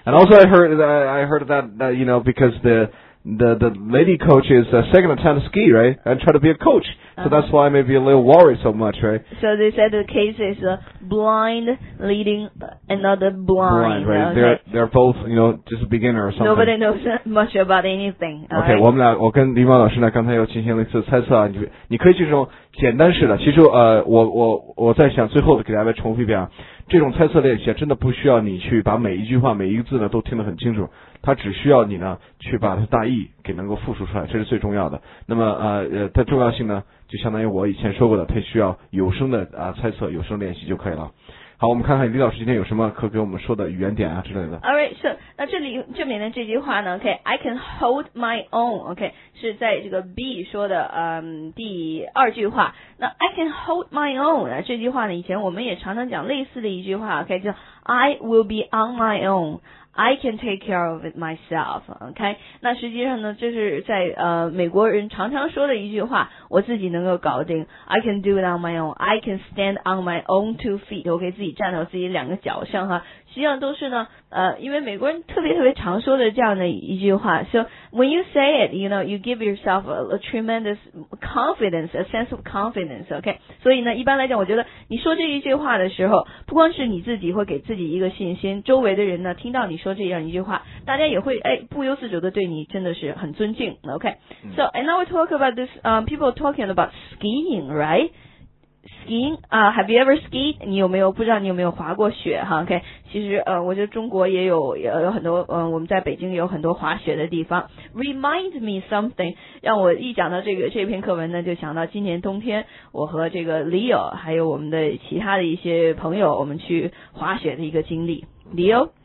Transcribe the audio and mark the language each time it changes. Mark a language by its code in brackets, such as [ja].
[en] And also, I heard that you know, because the lady coach is a second attempt ski, right? And try to be a coach. Uh-huh. So that's why I may be a little worried so much, right? So they said the case is a blind leading another blind. Blind, right? Okay. They're both, you know, just a beginner or something. Nobody knows much about anything. Okay, right? [zh] 我跟林芳老师呢刚才又进行了一次猜测啊，你可以这种简单式的，其实我在想最后给大家重复一遍啊，这种猜测练习真的不需要你去把每一句话每一个字呢都听得很清楚。他只需要你呢去把他大意给能够复述出来，这是最重要的。那么他重要性呢就相当于我以前说过的，他需要有声的猜测，有声练习就可以了。好，我们看看李老师今天有什么可给我们说的语言点啊之类的。 [en] Alright, so, [zh] 那这里面的这句话呢 , [en] okay, I can hold my own, okay, [zh] 是在这个 B 说的第二句话。那 I can hold my own, 那这句话呢以前我们也常常讲类似的一句话 ,okay, 就 [en] I will be on my own,I can take care of it myself, [zh] okay? 那实际上呢这是在美国人常常说的一句话，我自己能够搞定。 [en] I can do it on my own. I can stand on my own two feet. [zh] 我可以自己站到自己两个脚上哈。实际上都是呢因为美国人特别特别常说的这样的一句话。 [en] So, when you say it, you know, you give yourself a tremendous confidence, a sense of confidence, okay? [zh] 所以呢一般来讲我觉得你说这一句话的时候，不光是你自己会给自己一个信心，周围的人呢听到你说这样一句话，大家也会不由自主的对你真的是很尊敬 ,okay? [en] So, and now we talk about this, people talking about skiing, right? Skiing, have you ever skied? [zh] 你有没有不知道你有没有滑过雪哈 ？OK, 其实我觉得中国也有很多我们在北京也有很多滑雪的地方。 [en] Remind me something, [zh] 让我一讲到这篇课文呢，就想到今年冬天我和这个 Leo 还有我们的其他的一些朋友，我们去滑雪的一个经历。Leo,